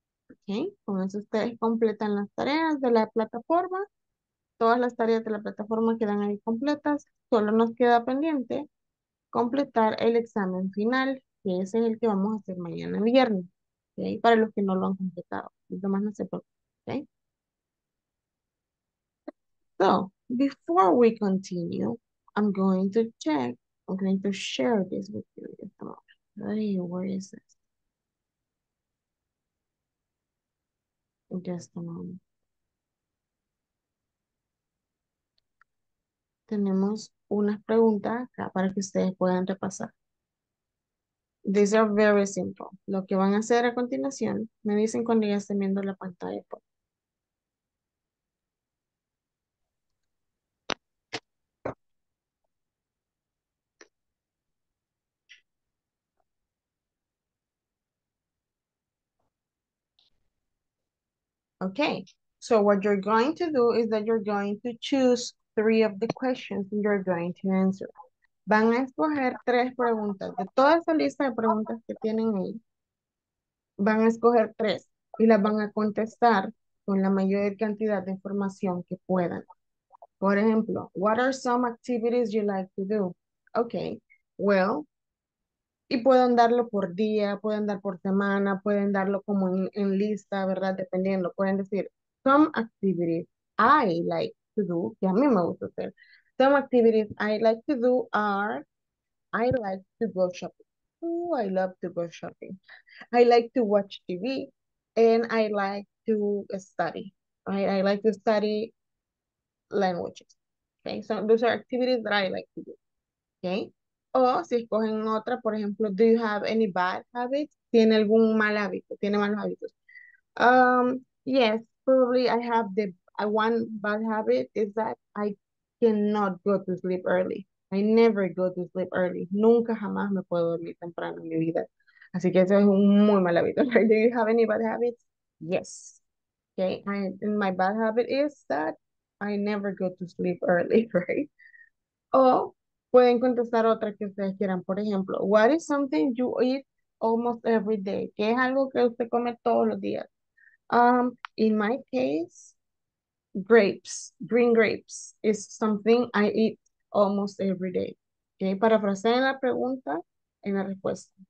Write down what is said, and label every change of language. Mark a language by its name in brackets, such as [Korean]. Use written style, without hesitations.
[Spanish] Ok, con eso ustedes completan las tareas de la plataforma. Todas las tareas de la plataforma quedan ahí completas. Solo nos queda pendiente completar el examen final, que es el que vamos a hacer mañana viernes. Ok, para los que no lo han completado. Y demás no se preocupen. Ok. [English] So, before we continue, I'm going to check, I'm going to share this with you in a moment. Hey, where is this? Just a moment. [Spanish] Tenemos unas preguntas acá para que ustedes puedan repasar. [English] These are very simple. [Spanish] Lo que van a hacer a continuación, me dicen cuando ya estén viendo la pantalla. [English] Okay, so what you're going to do is that you're going to choose three of the questions and you're going to answer. [Spanish] Van a escoger tres preguntas. De toda esa lista de preguntas que tienen ahí, van a escoger tres y las van a contestar con la mayor cantidad de información que puedan. Por ejemplo, [English] what are some activities you like to do? [Spanish] Okay, well, y pueden darlo por día, pueden dar por semana, pueden darlo como en lista, ¿verdad? Dependiendo. Pueden decir, [English] some activities I like to do, [Spanish] que a mí me gusta hacer. [English] Some activities I like to do are, I like to go shopping. Ooh, I love to go shopping. I like to watch TV. And I like to study. Right? I like to study languages. Okay, so those are activities that I like to do. Okay. [Spanish] O si escogen otra, por ejemplo, [English] do you have any bad habits? [Spanish] ¿Tiene algún mal hábito? ¿Tiene malos hábitos? [English] Yes, probably I have the one bad habit is that I cannot go to sleep early. I never go to sleep early. [Spanish] Nunca jamás me puedo dormir temprano en mi vida. Así que eso es un muy mal hábito. [English] Right? Do you have any bad habits? Yes. Okay, and my bad habit is that I never go to sleep early, right? O [Spanish] Pueden contestar otra que ustedes quieran. Por ejemplo, [English] what is something you eat almost every day? [Spanish] ¿Qué es algo que usted come todos los días? [English] In my case, grapes, green grapes is something I eat almost every day. [Spanish] Okay, parafraseé en la pregunta, en la respuesta.